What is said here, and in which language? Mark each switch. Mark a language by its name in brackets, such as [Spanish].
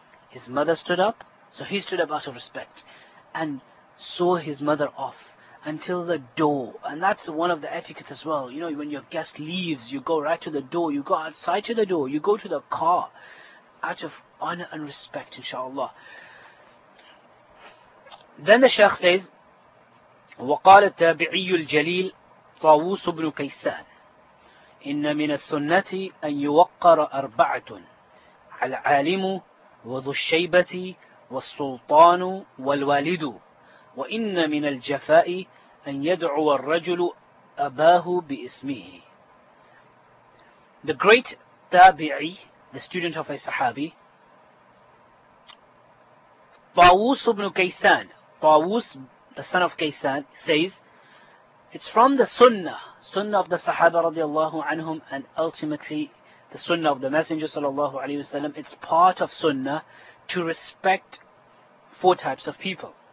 [English] His mother stood up, so he stood up out of respect and saw his mother off until the door. And that's one of the etiquettes as well. You know, when your guest leaves, you go right to the door, you go outside to the door, you go to the car out of honor and respect, inshallah. Then the Shaykh says, [Arabic] وقال التابعي الجليل طاووس بن كيسان إن من السنة أن يوقر أربعة العالم وذو الشيبة والسلطان والوالد وإن من الجفاء أن يدعو الرجل أباه باسمه. [English] The great tabi'i, the student of a sahabi, طاووس بن كيسان, طاووس, the son of Kaysan, says, it's from the sunnah of the Sahaba radiallahu anhum, and ultimately the sunnah of the Messenger sallallahu alayhi wa sallam, it's part of sunnah to respect four types of people.